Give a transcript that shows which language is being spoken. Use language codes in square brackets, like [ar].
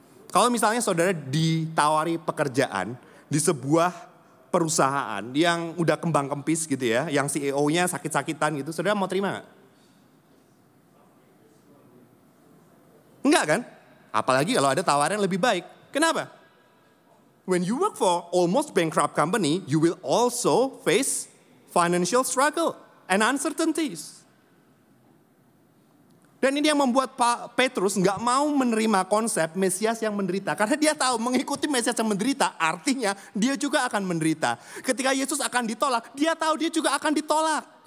[id] Kalau misalnya saudara ditawari pekerjaan di sebuah perusahaan yang udah kembang-kempis gitu ya, yang CEO-nya sakit-sakitan gitu, saudara mau terima gak? Enggak kan? Apalagi kalau ada tawaran yang lebih baik. Kenapa? [en] When you work for almost bankrupt company, you will also face financial struggle and uncertainties. [id] Dan ini yang membuat Pak Petrus gak mau menerima konsep Mesias yang menderita. Karena dia tahu mengikuti Mesias yang menderita, artinya dia juga akan menderita. Ketika Yesus akan ditolak, dia tahu dia juga akan ditolak.